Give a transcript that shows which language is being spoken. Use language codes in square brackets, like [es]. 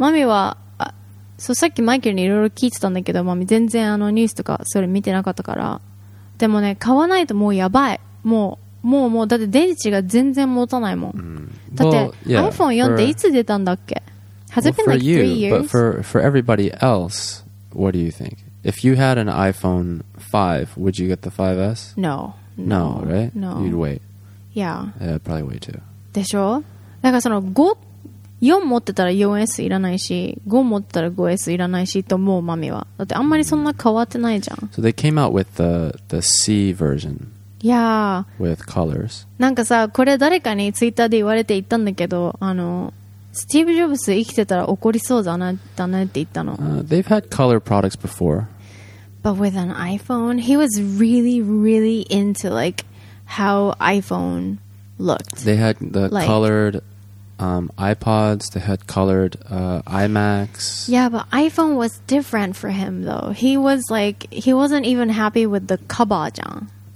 [ja] マミは、そうさっきマイケルにいろいろ聞いてたんだけど、マミ全然あのニュースとかそれ見てなかったから。でもね、買わないともうやばい。もうだって電池が全然持たないもん。だって iPhone 4っていつ出たんだっけ ？ [en] Has it been like 3 years? But for everybody else, what do you think? If you had an iPhone 5, would you get the 5S? No, right? No. You'd wait. Yeah. Yeah, probably wait too. [ja] でしょ？だからその4持ってたら 4S いらないし、5持ってたら 5S いらないしと思うマミは。だってあんまりそんな変わってないじゃん。 [en] So they came out with the C version. Yeah. With colors. [ja] なんかさ、これ誰かにツイッターで言われて言ったんだけど、あの、スティーブ・ジョブス生きてたら怒りそうだな、だねって言ったの。 [en] They've had color products before. But with an iPhone, he was really, really into like how iPhone looked. They had the like, colored iPods, they had colored iMacs. Yeah, but iPhone was different for him though. He was like, he wasn't even happy with the [ja] カバーじゃん。